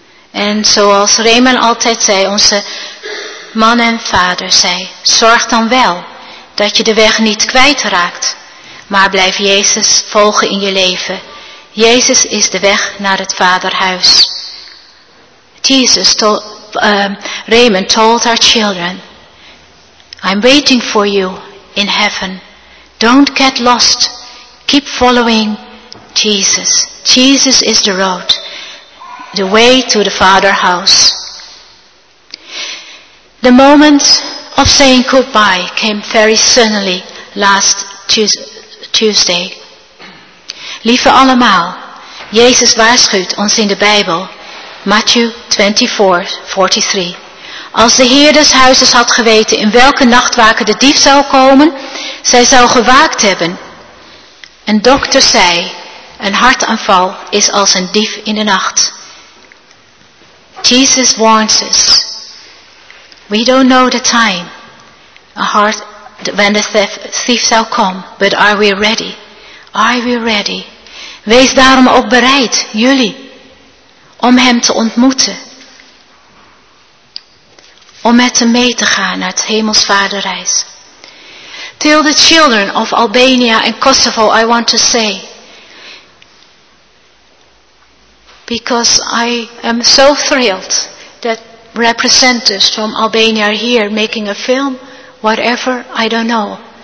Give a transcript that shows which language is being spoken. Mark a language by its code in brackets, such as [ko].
[nl] En zoals Raymond altijd zei, onze man en vader zei, zorg dan wel dat je de weg niet kwijtraakt. Maar blijf Jezus volgen in je leven. Jezus is de weg naar het Vaderhuis. [en] Raymond told our children, I'm waiting for you in heaven. Don't get lost. Keep following Jesus. Jesus is the road, the way to the Fatherhouse. The moment of saying goodbye came very suddenly last Tuesday. [nl] Lieve allemaal, Jezus waarschuwt ons in de Bijbel, Matthew 24:43. Als de Heer des huizes had geweten in welke nachtwaken de dief zou komen, zij zou gewaakt hebben. Een dokter zei, een hartaanval is als een dief in de nacht. [en] Jesus warns us, we don't know the time, when the thief shall come, but are we ready? Are we ready? [nl] Wees daarom ook bereid, jullie, om hem te ontmoeten. Om met hem mee te gaan naar het hemelsvaderreis. [en] To the children of Albania and Kosovo, I want to say, because I am so thrilled that representatives from Albania are here making a film, whatever, I don't know.